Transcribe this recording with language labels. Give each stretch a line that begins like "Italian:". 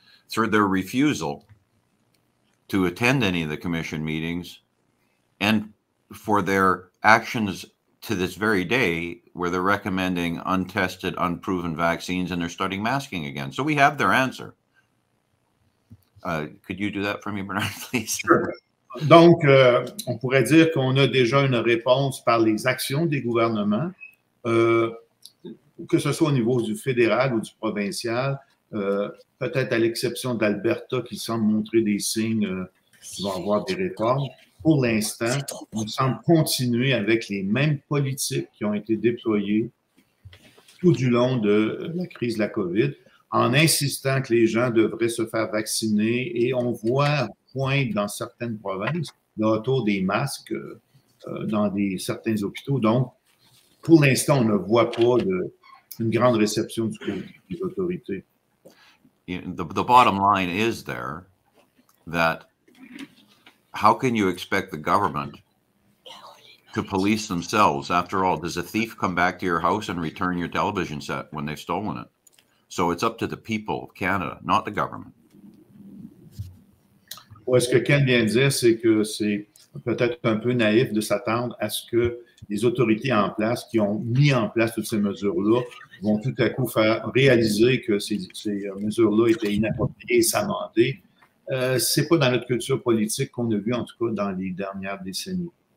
English: Through their refusal to attend any of the commission meetings and for their actions to this very day where they're recommending untested, unproven vaccines and they're starting masking again. So we have their answer. Could you do that for me, Bernard, please? Sure.
French: Donc, on pourrait dire qu'on a déjà une réponse par les actions des gouvernements, que ce soit au niveau du fédéral ou du provincial, peut-être à l'exception d'Alberta qui semble montrer des signes qui vont avoir des réformes. Pour l'instant, on semble continuer avec les mêmes politiques qui ont été déployées tout du long de la crise de la COVID, en insistant que les gens devraient se faire vacciner et on voit pointe dans certaines provinces, là, autour des masques dans certains hôpitaux. Donc, pour l'instant, on ne voit pas une grande réception du côté des autorités.
English: The bottom line is there that how can you expect the government to police themselves? After all, does a thief come back to your house and return your television set when they've stolen it? So it's up to the people of Canada, not the government.
French: Ouais, ce que Ken vient de dire, c'est que c'est peut-être un peu naïf de s'attendre à ce que les autorités en place qui ont mis en place toutes ces mesures-là vont tout à coup faire réaliser que ces mesures-là étaient inappropriées et s'amender. Ce n'est pas dans notre culture politique qu'on a vu, en tout cas, dans les dernières décennies.